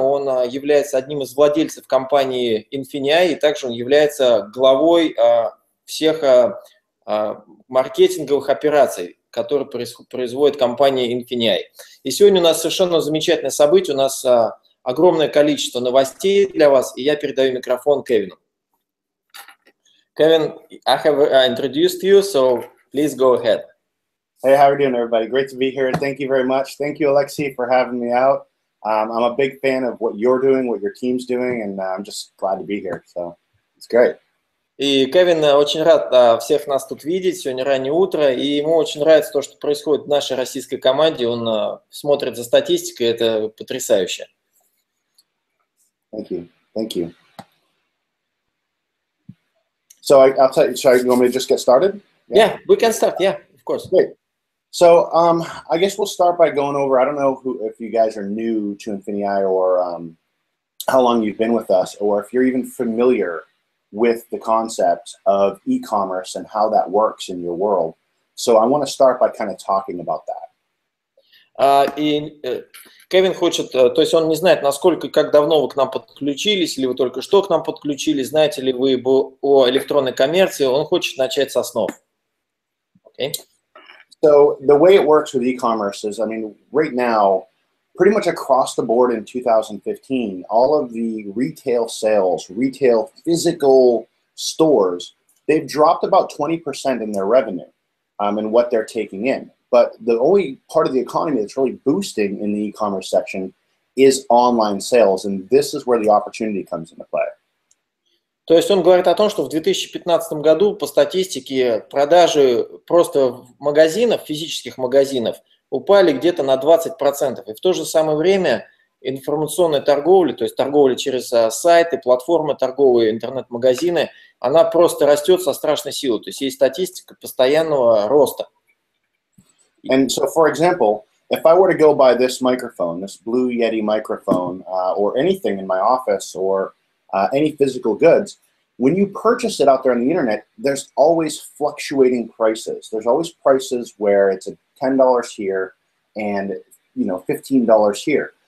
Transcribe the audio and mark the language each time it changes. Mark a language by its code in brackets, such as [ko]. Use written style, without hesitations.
[ru] Он является одним из владельцев компании Infinii, и также он является главой всех маркетинговых операций, которые производит компания Infinii. И сегодня у нас совершенно замечательное событие, у нас огромное количество новостей для вас, и я передаю микрофон Кевину. [en] Kevin, I have introduced you, so please go ahead. Hey, how are you doing, everybody? Great to be here. Thank you very much. Thank you, Alexei, for having me out. I'm a big fan of what you're doing, what your team's doing, and I'm just glad to be here. So it's great. [ru] И Кевин очень рад всех нас тут видеть. Сегодня раннее утро, и ему очень нравится то, что происходит в нашей российской команде. Он смотрит за статистикой, это потрясающе. [en] Thank you. Thank you. So I'll tell you, sorry, you want me to just get started? Yeah, yeah, we can start, yeah, of course. Great. So I guess we'll start by going over, I don't know who, if you guys are new to Infinii or how long you've been with us, or if you're even familiar with the concept of e-commerce and how that works in your world. So I want to start by kind of talking about that. [ru] Кевин хочет, то есть он не знает, насколько, как давно вы к нам подключились, или вы только что к нам подключились, знаете ли вы о электронной коммерции, он хочет начать с основ. [en] Okay. So the way it works with e-commerce is, I mean, right now, pretty much across the board in 2015, all of the retail sales, retail physical stores, they've dropped about 20% in their revenue and what they're taking in. But the only part of the economy that's really boosting in the e-commerce section is online sales, and this is where the opportunity comes into play. [ru] То есть он говорит о том, что в 2015 году по статистике продажи просто магазинов, физических магазинов, упали где-то на 20%. И в то же самое время информационная торговля, то есть торговля через сайты, платформы торговые, интернет-магазины, она просто растет со страшной силой. То есть есть статистика постоянного роста. [en] And so, for example, if I were to go buy this microphone, this Blue Yeti microphone, or anything in my office, or any physical goods, when you purchase it out there on the internet, there's always fluctuating prices. There's always prices where it's $10 here and, you know, $15 here.